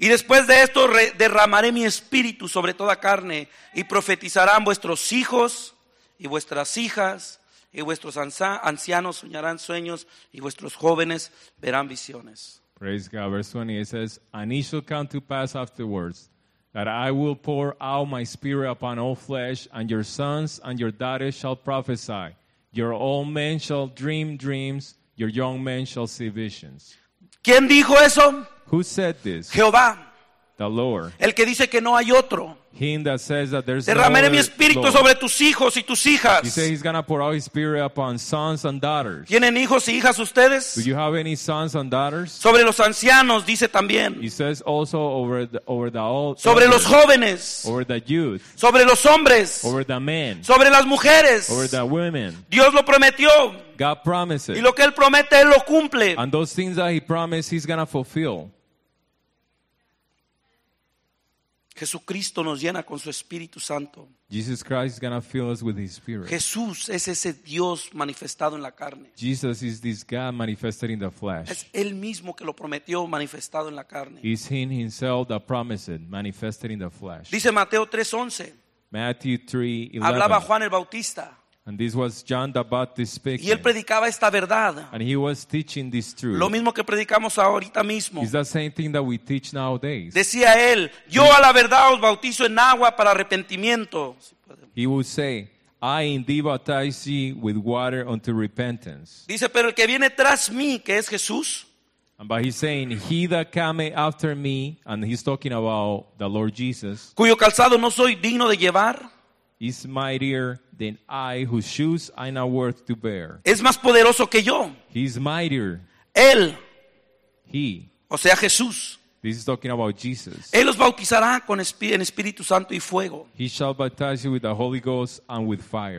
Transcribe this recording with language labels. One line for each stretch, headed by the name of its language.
Spanish: Y después de esto derramaré mi espíritu sobre toda carne, y profetizarán vuestros hijos y vuestras hijas. Y vuestros ancianos soñarán sueños, y vuestros jóvenes verán visiones.
English: Praise God. Verse 20, it says, and it shall come to pass afterwards that I will pour out my spirit upon all flesh, and your sons and your daughters shall prophesy. Your old men shall dream dreams, your young men shall see visions.
Spanish: ¿Quién dijo eso?
English: Who said this?
Spanish: Jehová.
English: The Lord.
Spanish: El que dice que no hay otro.
English: Him that says that there's
Spanish: derramaré mi espíritu
English: Lord.
Spanish: Sobre tus hijos y tus hijas.
English: He says he's going to pour out his spirit upon sons and daughters.
Spanish: ¿Tienen hijos y hijas ustedes?
English: Do you have any sons and daughters?
Spanish: Sobre los ancianos, dice también.
English: He says also over the old.
Spanish: Sobre los jóvenes.
English: Over the youth.
Spanish: Sobre los hombres.
English: Over the men.
Spanish: Sobre las mujeres.
English: Over the women.
Spanish: Dios lo prometió.
English: God promises.
Spanish: Y lo que Él promete, Él lo cumple.
English: And those things that He promised, He's going to fulfill.
Spanish: Jesucristo nos llena con su Espíritu Santo.
English: Jesus Christ is going to fill us with His Spirit.
Spanish: Jesús es ese Dios manifestado en la carne.
English: Jesus is this God manifested in the flesh.
Spanish: Es Él mismo que lo prometió manifestado en la carne.
English: He's in Himself that promised it, manifested in the flesh.
Spanish: Dice Mateo 3:11.
English: Matthew 3:11.
Spanish: Hablaba Juan el Bautista.
English: And this was John the Baptist speaking.
Spanish: Y él predicaba esta verdad.
English: And he was teaching this truth.
Spanish: Lo mismo que predicamos ahorita mismo.
English: It's the same thing that we teach nowadays.
Spanish: Decía él, yo a la verdad os bautizo en agua para arrepentimiento.
English: He would say, I indeed baptize thee with water unto repentance.
Spanish: Dice, pero el que viene tras mí, que es Jesús.
English: And by he's saying, he that cometh after me, and he's talking about the Lord Jesus.
Spanish: Cuyo calzado no soy digno de llevar.
English: Is mightier than I, whose shoes I not worth to bear.
Spanish: Es más poderoso que yo.
English: He's mightier.
Spanish: Él.
English: He.
Spanish: O sea, Jesús.
English: This is talking about Jesus.
Spanish: Él los bautizará con Espíritu Santo y fuego.
English: He shall baptize you with the Holy Ghost and with fire.